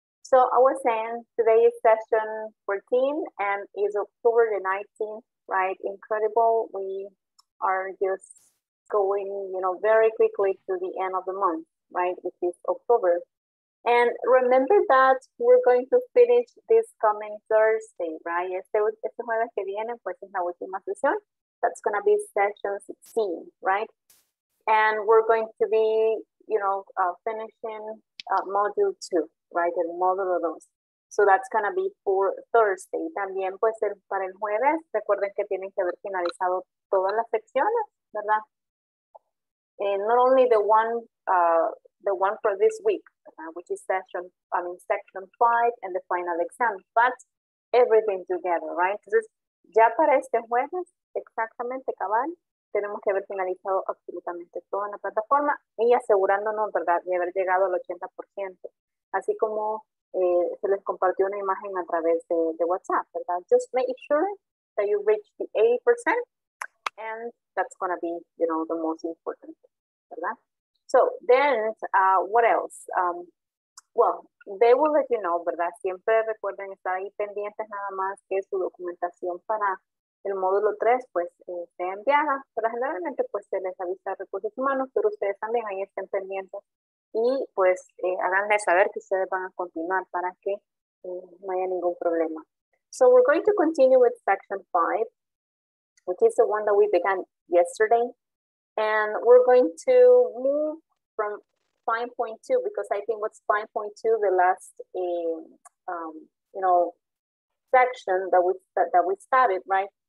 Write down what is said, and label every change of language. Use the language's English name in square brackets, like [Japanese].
[English] So I was saying today is session 14 and is October the 19th, right? Incredible. We are just going, you know, very quickly to the end of the month, right? Which is October. And remember that we're going to finish this coming Thursday, right? [Spanish] Este jueves que viene, pues es la última sesión. [English] That's going to be session 16, right? And we're going to be, you know, finishing module 2, right? [Spanish] El módulo 2. [English] So that's going to be for Thursday. [Spanish] También, pues, para el jueves, recuerden que tienen que haber finalizado todas las secciones, ¿verdad? [English] And not only the one for this week, which is section 5 and the final exam, but everything together, right? [Spanish] Entonces, ya para este jueves, exactamente, cabal, tenemos que haber finalizado absolutamente toda la plataforma y asegurándonos, ¿verdad?, de haber llegado al 80%. Así como se les compartió una imagen a través de WhatsApp, ¿verdad? [English] Just make sure that you reach the 80%. And that's going to be, you know, the most important thing, ¿verdad? So then, what else? Well, they will let you know, ¿verdad? [Spanish] Siempre recuerden estar ahí pendientes nada más que su documentación para el módulo 3, pues, esté enviada. Pero generalmente, pues, se les avisa a recursos humanos, pero ustedes también ahí estén pendientes. Y, pues, háganle saber que ustedes van a continuar para que no haya ningún problema. [English] So we're going to continue with section 5. Which is the one that we began yesterday. And we're going to move from 5.2 because I think what's 5.2, the last, you know, section that we started, right?